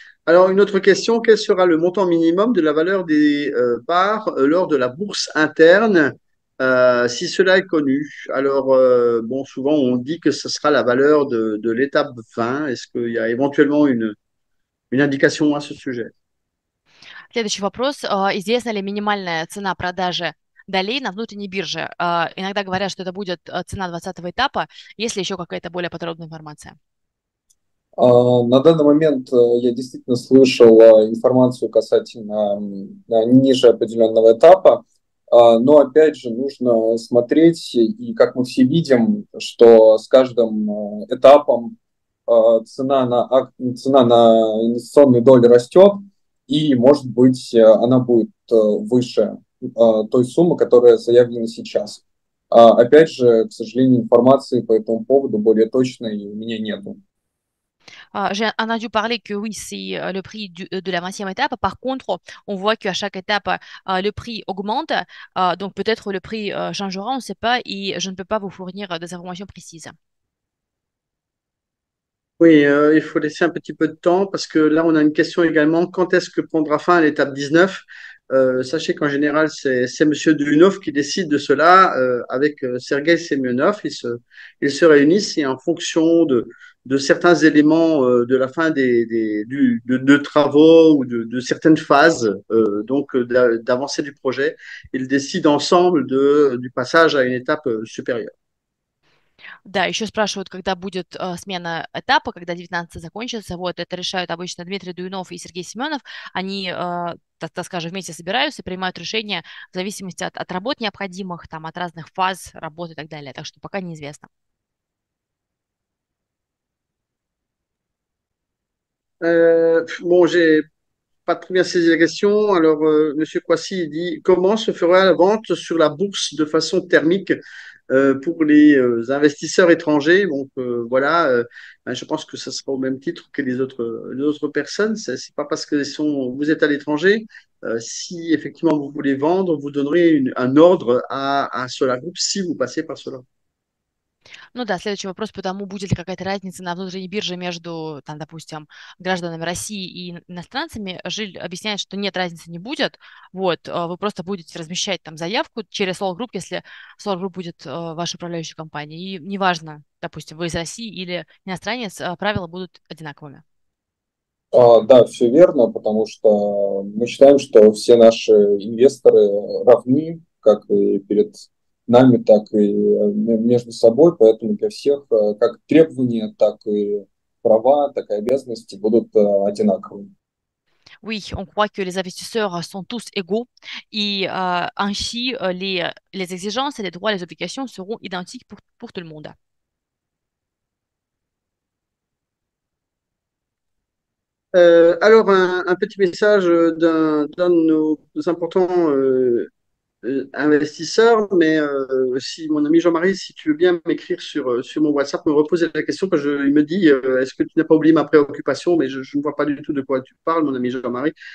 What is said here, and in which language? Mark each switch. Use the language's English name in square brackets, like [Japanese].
[French] Alors, une autre question, quel sera le montant minimum de la valeur des parts lors de la bourse interne, si cela est connu? Alors, bon, souvent on dit que ce sera la valeur de l'étape 20. Est-ce qu'il y a éventuellement une indication à ce sujet? [Russian] Следующий вопрос. Известна ли минимальная цена продажи долей на внутренней бирже? Иногда говорят, что это будет цена 20-го этапа. Есть ли еще какая-то более подробная информация? На данный момент я действительно слышал информацию касательно ниже определенного этапа, но опять же нужно смотреть, и как мы все видим, что с каждым этапом цена на инвестиционный доллар растет, и может быть она будет выше той суммы, которая заявлена сейчас. Опять же, к сожалению, информации по этому поводу более точной у меня нету. [French] J'ai entendu parler que oui, c'est le prix de la 20e étape. Par contre, on voit qu'à chaque étape, le prix augmente. Donc peut-être le prix changera, on ne sait pas, et je ne peux pas vous fournir des informations précises. Oui, il faut laisser un petit peu de temps parce que là, on a une question également. Quand est-ce que prendra fin l'étape 19? Sachez qu'en général, c'est Monsieur Dulunov qui décide de cela avec Sergueï Semionov. Ils se réunissent et en fonction de certains éléments de la fin de travaux ou de certaines phases donc d'avancée du projet, ils décident ensemble du passage à une étape supérieure. [Russian] Да, еще спрашивают, когда будет смена этапа, когда 19 закончится. Вот это решают обычно Дмитрий Дуйнов и Сергей Семенов. Они, так скажем, вместе собираются, принимают решения в зависимости от работ необходимых, там, от разных фаз работы и так далее. Так что пока неизвестно. [French] Bon, j'ai pas très bien saisi la question. Alors, Monsieur Kouassi dit, comment se fera la vente sur la bourse de façon thermique pour les investisseurs étrangers? Donc, voilà, ben, je pense que ce sera au même titre que les autres personnes. C'est pas parce que vous êtes à l'étranger. Si effectivement vous voulez vendre, vous donnerez un ordre à Solar Group si vous passez par Solar. [Russian] Ну да, следующий вопрос, потому будет ли какая-то разница на внутренней бирже между, там, допустим, гражданами России и иностранцами. Жиль объясняет, что нет, разницы не будет. Вот, вы просто будете размещать там заявку через Solar Group, если Solar Group будет вашей управляющей компанией. И неважно, допустим, вы из России или иностранец, правила будут одинаковыми. Да, все верно, потому что мы считаем, что все наши инвесторы равны, как и перед нами, так и между собой, поэтому для всех как требования, так и права, так и обязанности будут одинаковыми. [French] Oui, on croit que les investisseurs sont tous égaux et ainsi les exigences, les droits, les obligations seront identiques pour tout le monde. Alors, un petit message d'un de nos plus importants investisseurs, mais si mon ami Jean-Marie, si tu veux bien m'écrire sur mon WhatsApp, me reposer la question, parce que il me dit, est-ce que tu n'as pas oublié ma préoccupation, mais je ne vois pas du tout de quoi tu parles, mon ami Jean-Marie.